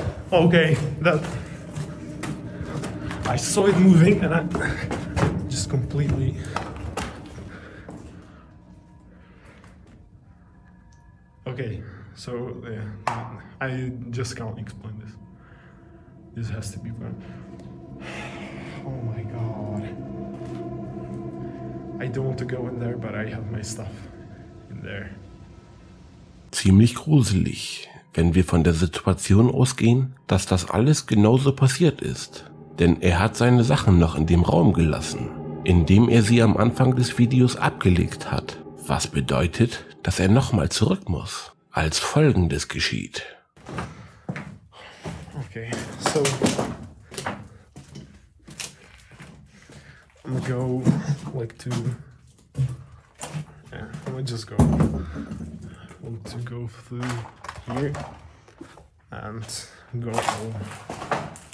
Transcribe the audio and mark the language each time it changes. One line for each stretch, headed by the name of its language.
English: Okay, that I saw it moving and I just completely okay, so yeah, I just can't explain this. This has to be fun. Oh my god. I don't want to go in there, but I have my stuff in there.
German: Ziemlich gruselig, wenn wir von der Situation ausgehen, dass das alles genauso passiert ist. Denn er hat seine Sachen noch in dem Raum gelassen, in dem er sie am Anfang des Videos abgelegt hat. Was bedeutet, dass er nochmal zurück muss, als Folgendes geschieht.
English: Okay, so I'm go like to yeah, I'm just go want to go through here and go home.